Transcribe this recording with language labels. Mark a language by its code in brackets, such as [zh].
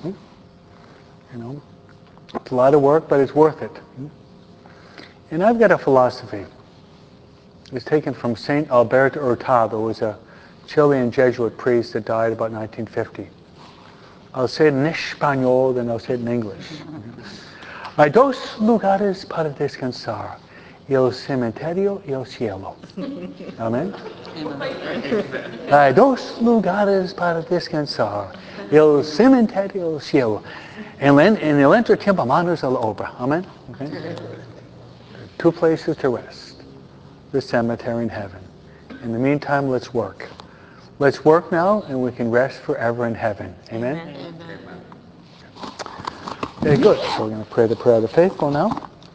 [en] You know, it's a lot of work, but it's worth it. And I've got a philosophy. It's taken from Saint Alberto Hurtado, who was a Chilean Jesuit priest that died about 1950. I'll say it in Espanol, then I'll say it in English. [es] Hay dos lugares para descansar, el cementerio y el cielo. Amen. Hay dos lugares para descansar, el cementerio y el cielo. En el entretiempo manos a la obra. [en] Amen. Okay. Two places to rest, the cemetery and heaven. In the meantime, let's work. Let's work now, and we can rest forever in heaven. Amen? Amen. Very good. So we're going to pray the prayer of the faithful now.